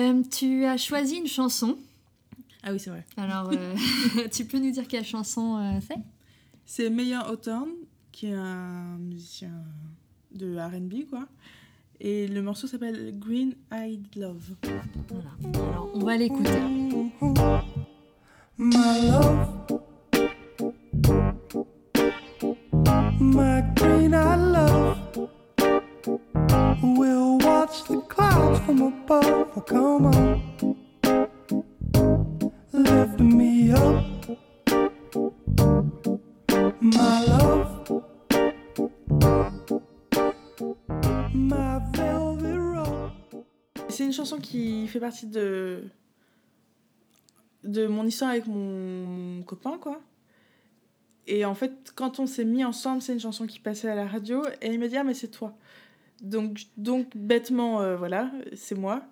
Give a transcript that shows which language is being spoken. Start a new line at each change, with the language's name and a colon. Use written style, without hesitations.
French: Tu as choisi une chanson. Ah oui, c'est vrai. Alors, tu peux nous dire quelle chanson c'est ? C'est Meilleur Hawthorne, qui est un musicien de R&B, quoi. Et le morceau s'appelle Green Eyed Love. Voilà. Alors, on va l'écouter.
English: My love, my green-eyed love, we'll watch the clouds from above. Come on, lift me up, my love, my velvet robe.
French: C'est une chanson qui fait partie de mon histoire avec mon copain, quoi. Et en fait, quand on s'est mis ensemble, c'est une chanson qui passait à la radio, et il m'a dit « Ah, mais c'est toi ». Donc bêtement, voilà, c'est moi.